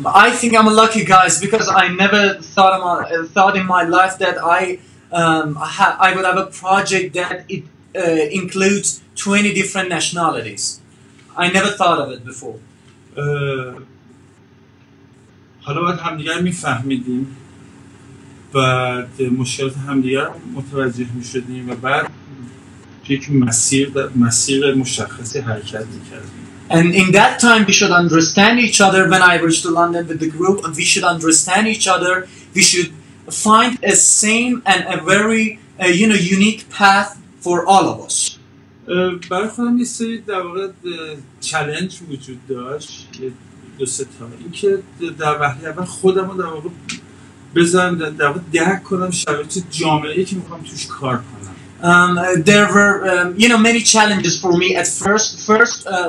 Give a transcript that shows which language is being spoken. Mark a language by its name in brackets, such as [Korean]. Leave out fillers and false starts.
[English] I think I'm a lucky guy because I never thought in my life that I would have a project that it includes 20 different nationalities. I never thought of it before. [Persian] حالا باید همدیگر میفهمیدیم بعد مشکلات همدیگر متوجه می شدیم و بعد یک مسیر مشخصی حرکت می کردیم. [English] And in that time we should understand each other. When I reached to London with the group, we should understand each other. We should find a same and a very unique path for all of us. [Persian] برای خودم یه سری در واقع چالش وجود داشت دو سه تا. اینکه در وهله اول خودم رو در واقع بزنم در واقع درک کنم شرایط جامعه‌ای که می‌خوام توش کار کنم. [English] There were many challenges for me at first.